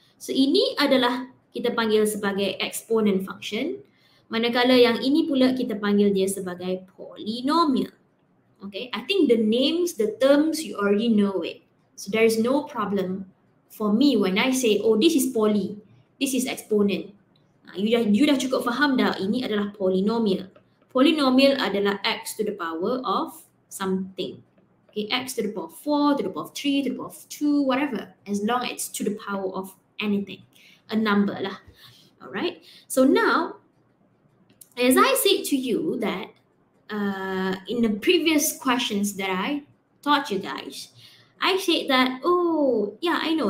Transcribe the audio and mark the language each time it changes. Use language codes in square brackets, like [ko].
[ms] So ini adalah kita panggil sebagai exponent function. Manakala yang ini pula kita panggil dia sebagai polynomial. [en] Okay, I think the names, the terms, you already know it. So there is no problem for me when I say, oh, this is poly, this is exponent. [ms] You dah cukup faham dah, ini adalah polynomial. Polynomial adalah [en] x to the power of something. Okay, x to the power of 4, to the power of 3, to the power of 2, whatever. As long as it's to the power of anything. A number lah. Alright, so now, as I said to you that in the previous questions that I taught you guys, I said that, oh, yeah, I know.